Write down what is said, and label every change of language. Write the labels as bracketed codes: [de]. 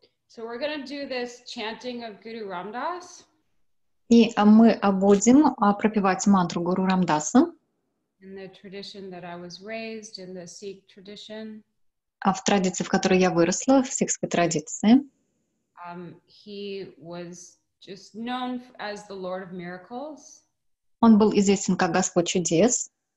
[en] So we're going to do this chanting of Guru Ramdas. [ru] И мы будем пропевать мантру Гуру Рамдаса. [en] In the tradition that I was raised, in the Sikh tradition. [ru] А в традиции, в которой я выросла, в сикхской традиции. [en] He was just known as the Lord of Miracles. [ru] Он был известен как Господь чудес.